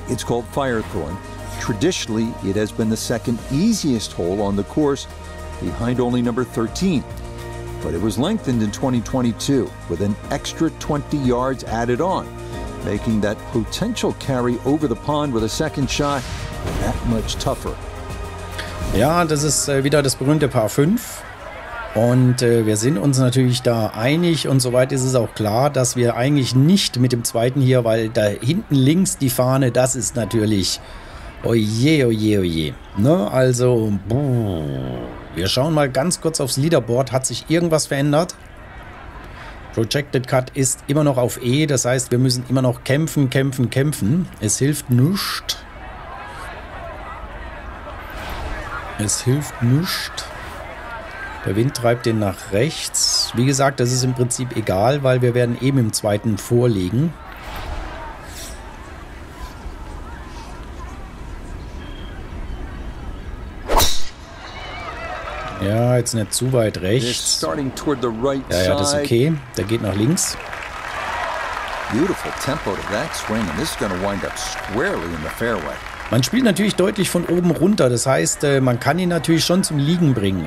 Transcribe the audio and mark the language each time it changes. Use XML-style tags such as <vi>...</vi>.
<en>It's called Firethorn. Traditionally, it has been the second easiest hole on the course, behind only number 13. But it was lengthened in 2022 with an extra 20 yards added on, making that potential carry over the pond with a second shot that much tougher.</en> <de>Ja, das ist wieder das berühmte Par 5. Und wir sind uns natürlich da einig und soweit ist es auch klar, dass wir eigentlich nicht mit dem zweiten hier, weil da hinten links die Fahne, das ist natürlich, oje, oje, oje. Ne? Also, wir schauen mal ganz kurz aufs Leaderboard. Hat sich irgendwas verändert? Projected Cut ist immer noch auf E, das heißt, wir müssen immer noch kämpfen, kämpfen, kämpfen. Es hilft nüscht. Es hilft nüscht. Der Wind treibt den nach rechts. Wie gesagt, das ist im Prinzip egal, weil wir werden eben im zweiten vorliegen. Ja, jetzt nicht zu weit rechts. Ja, ja, das ist okay. Der geht nach links.</de> <en>Beautiful tempo to that swing and this is going to wind up squarely in the fairway.</en> <de>Man spielt natürlich deutlich von oben runter. Das heißt, man kann ihn natürlich schon zum Liegen bringen.</de>